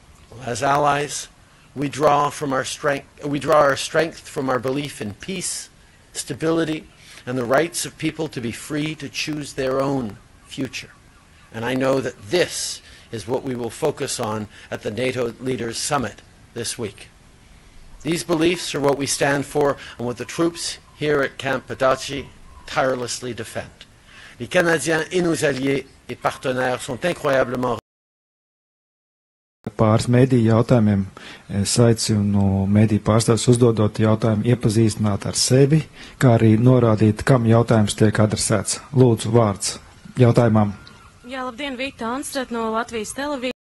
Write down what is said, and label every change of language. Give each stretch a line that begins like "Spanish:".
English: Well, as allies, we draw our strength from our belief in peace, stability, and the rights of people to be free to choose their own future. And I know that this is what we will focus on at the NATO Leaders Summit this week. These beliefs are what we stand for and what the troops here at Camp Padachi tirelessly defend.
French: Les Canadiens et nos alliés et partenaires sont incroyablement
Latvian: pāris mediju jautājumiem saicinu mediju pārstāvis uzdodot jautājumu iepazīstināt ar sevi, kā arī norādīt, kam jautājums tiek adresēts. Lūdzu, vārds jautājumam. Jā, labdien, Vita Anstrat no Latvijas televīzijas.